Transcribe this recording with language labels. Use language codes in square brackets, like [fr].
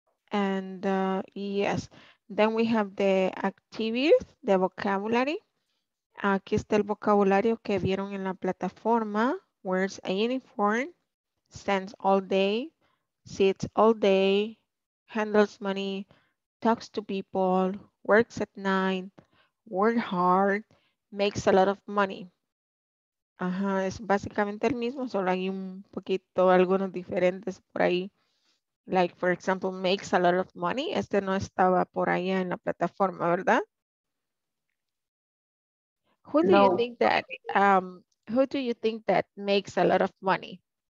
[en] And yes, then we have the activities, the vocabulary. [es] Aquí está el vocabulario que vieron en la plataforma. [en] Wears a uniform, stands all day, sits all day, handles money, talks to people, works at night, works hard, makes a lot of money. [es] Ajá, es básicamente el mismo, solo hay un poquito, algunos diferentes por ahí. [en] Like, for example, makes a lot of money. [es] Este no estaba por allá en la plataforma, ¿verdad? [en] Who do you think that, who do you think that makes a lot of money?